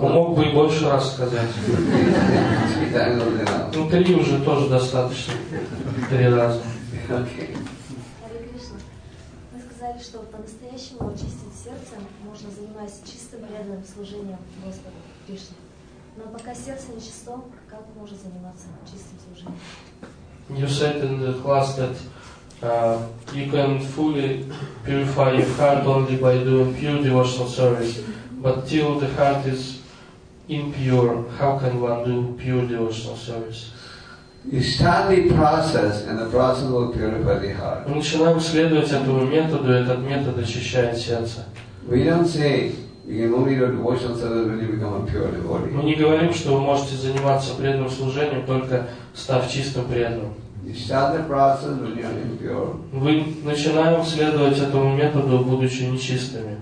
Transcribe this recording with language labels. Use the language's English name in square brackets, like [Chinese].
[Russian] Он мог бы и больше раз сказать. Ну, три уже тоже достаточно. Три раза. Хари Кришна, вы сказали, что по-настоящему очистить сердце можно, занимаясь чистым преданным служением Господу Кришне. Но пока сердце нечисто, как можно заниматься чистым служением? [English] You said in the class that you can fully purify your heart only by doing pure devotional service. But till the heart is impure, how can one do pure devotional service? You start the process, and the process will purify the heart. [Russian] Мы начинаем следовать этому методу, и этот метод очищает сердце. [English] We don't say you can only do devotional service when you become a pure devotee. [Russian] Мы не говорим, что вы можете заниматься преданным служением только став чистым преданным. [English] You start the process when you are impure. [Russian] Мы начинаем следовать этому методу, будучи нечистыми.